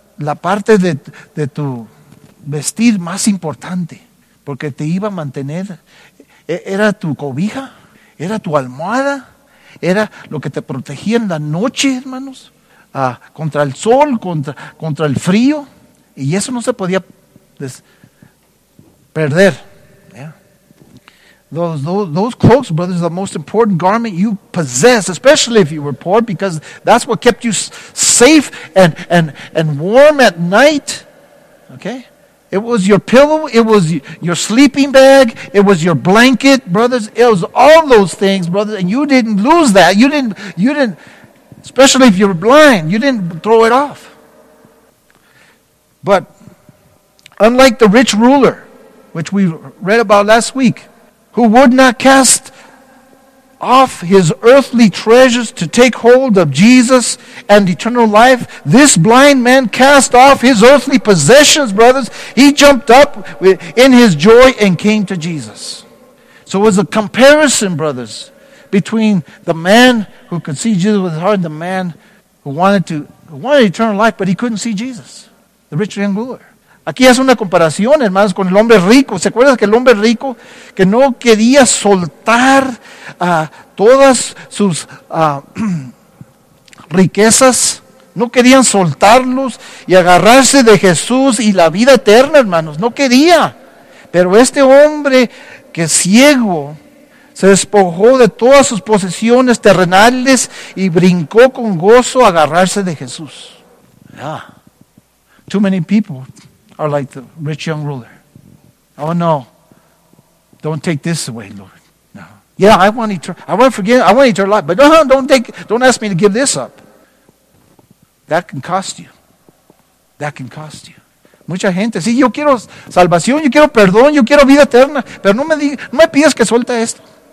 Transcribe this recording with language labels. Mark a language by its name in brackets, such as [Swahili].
[Spanish] la parte de tu vestir más importante, porque te iba a mantener, era tu cobija, era tu almohada, era lo que te protegía en la noche, hermanos, contra el sol, contra el frío, y eso no se podía perder. [English] Those cloaks, brothers, are the most important garment you possess, especially if you were poor, because that's what kept you safe and warm at night. Okay? It was your pillow, it was your sleeping bag, it was your blanket, brothers. It was all those things, brothers, and you didn't lose that. You didn't, especially if you were blind, you didn't throw it off. But unlike the rich ruler, which we read about last week, who would not cast off his earthly treasures to take hold of Jesus and eternal life, this blind man cast off his earthly possessions, brothers. He jumped up in his joy and came to Jesus. So it was a comparison, brothers, between the man who could see Jesus with his heart and the man who wanted eternal life, but he couldn't see Jesus, the rich young ruler. [Spanish] Aquí hace una comparación, hermanos, con el hombre rico. ¿Se acuerdan que el hombre rico que no quería soltar todas sus riquezas? No querían soltarlos y agarrarse de Jesús y la vida eterna, hermanos. No quería. Pero este hombre que ciego se despojó de todas sus posesiones terrenales y brincó con gozo a agarrarse de Jesús. [English] Yeah. Too many people are like the rich young ruler. Oh no, don't take this away, Lord. No. Yeah, I want eternal life, but no, don't ask me to give this up. That can cost you. [Spanish] Mucha gente, sí, yo quiero salvación, yo quiero perdón, yo quiero vida eterna, pero no me pidas que suelte esto.